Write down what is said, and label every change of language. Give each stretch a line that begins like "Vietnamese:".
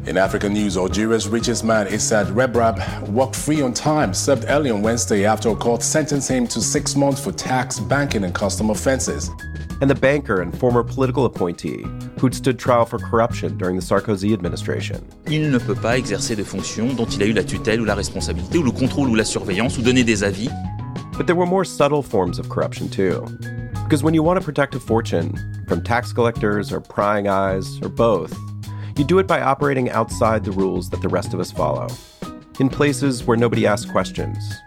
English: In African news, Algeria's richest man, Issad Rebrab, walked free on time, served early on Wednesday after a court sentenced him to 6 months for tax, banking and custom offenses. And the banker and former political appointee who'd stood trial for corruption during the Sarkozy administration.
French: Il ne peut pas exercer de fonctions dont il a eu la tutelle ou la responsabilité ou le contrôle ou la surveillance ou donner des avis.
English: But there were more subtle forms of corruption too. Because when you want to protect a fortune from tax collectors or prying eyes or both, you do it by operating outside the rules that the rest of us follow, in places where nobody asks questions.